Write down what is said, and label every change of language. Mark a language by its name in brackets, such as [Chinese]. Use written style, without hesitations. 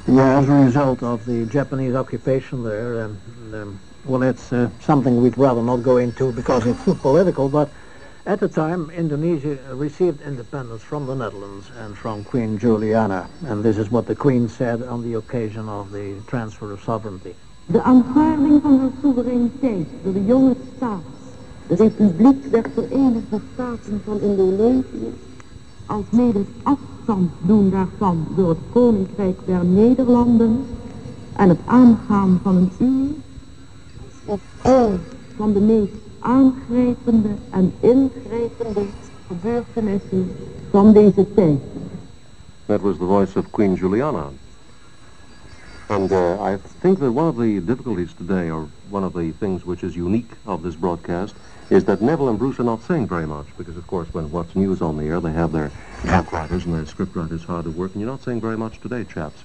[English] Yeah, as a result of the Japanese occupation there, well, it's something we'd rather not go into because it's too political, but at the time, Indonesia received independence from the Netherlands and from Queen Juliana, and this is what the Queen said on the occasion of the transfer of sovereignty. [Dutch] De aanvaarding van de soevereiniteit door de jonge staat, de Republiek der Verenigde Staten van Indonesië, als mede het afstand doen daarvan door het Koninkrijk der Nederlanden en het aangaan van een uur of al van de meest aangrijpende en ingrijpende gebeurtenissen van deze tijd. [English] That was the voice of Queen Juliana. And I think that one of the difficulties today, or one of the things which is unique of this broadcast, is that Neville and Bruce are not saying very much, because, of course, when What's News on the air, they have their typewriters and their scriptwriters hard at work, and you're not saying very much today, chaps.